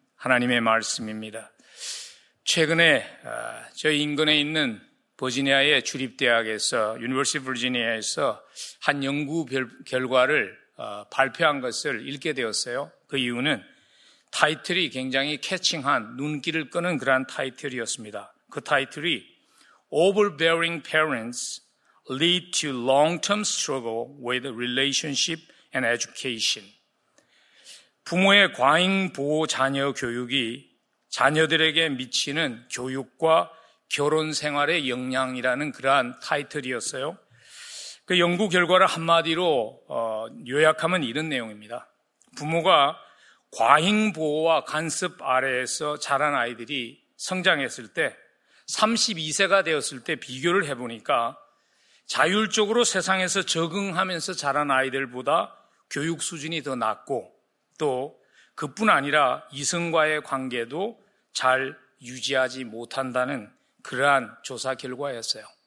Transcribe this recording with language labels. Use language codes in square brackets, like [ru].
[ko] 하나님의 말씀입니다. 최근에 저희 인근에 있는 버지니아의 주립대학에서 유니버시티 버지니아에서 한 연구 결과를 발표한 것을 읽게 되었어요. 그 이유는 타이틀이 굉장히 캐칭한 눈길을 끄는 그러한 타이틀이었습니다. 그 타이틀이 [en] Overbearing Parents Lead to Long-Term Struggle with Relationship and Education. [ko] 부모의 과잉 보호 자녀 교육이 자녀들에게 미치는 교육과 결혼 생활의 영향이라는 그러한 타이틀이었어요. 그 연구 결과를 한마디로 요약하면 이런 내용입니다. 부모가 과잉 보호와 간섭 아래에서 자란 아이들이 성장했을 때 32세가 되었을 때 비교를 해보니까 자율적으로 세상에서 적응하면서 자란 아이들보다 교육 수준이 더 낮고 또 그뿐 아니라 이성과의 관계도 잘 유지하지 못한다는 그러한 조사 결과였어요.